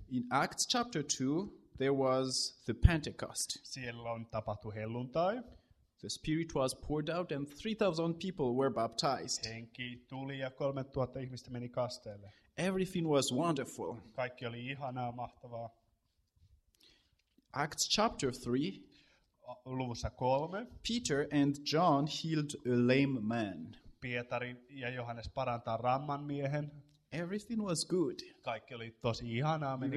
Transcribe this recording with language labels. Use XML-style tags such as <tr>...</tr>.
<en>In Acts chapter 2, there was the Pentecost.</en> <fi>Siellä on tapahtu helluntai.</fi> <en>The spirit was poured out and 3,000 people were baptized.</en> <fi>Henki tuli ja 3,000 ihmistä meni kasteelle.</fi> <en>Everything was wonderful.</en> <fi>Kaikki oli ihanaa, mahtavaa.</fi> <en>Acts chapter 3.</en> <fi>Luvussa 3.</fi> <en>Peter and John healed a lame man.</en> <fi>Pietari ja Johannes parantaa ramman miehen.</fi> <en>Everything was good.</en> <fi>Kaikki oli tosi ihanaa, meni</fi>